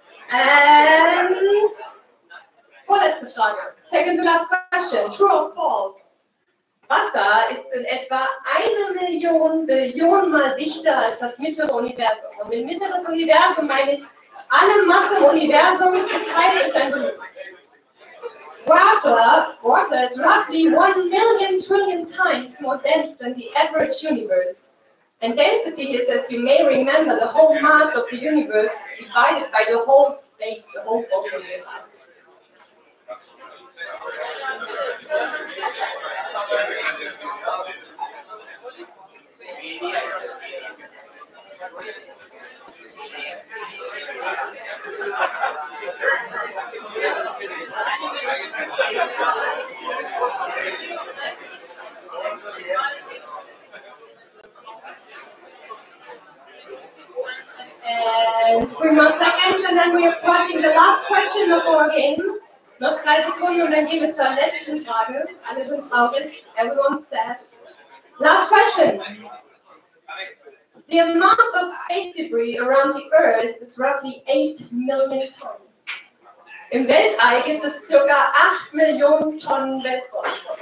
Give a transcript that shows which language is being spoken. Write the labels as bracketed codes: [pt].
[de] And vorletzte Frage. [en] Second to last question. True or false? [de] Wasser ist in etwa 1 Billion mal dichter als das mittlere Universum. Und mit mittleres Universum meine ich alle Masse im Universum geteilt durch ein Volumen. [en] Water is roughly 1 million trillion times more dense than the average universe. And density is, as you may remember, the whole mass of the universe divided by the whole space, the whole volume of your life. And 3 more seconds, and then we are approaching the last question of our game. [de] Noch 3 Sekunden, und dann gehen wir zur letzten Frage. Alle sind traurig, [en] everyone's sad. Last question. The amount of space debris around the Earth is roughly 8 million tons. [de] Im Weltall gibt es ca. 8 Millionen Tonnen Weltkost.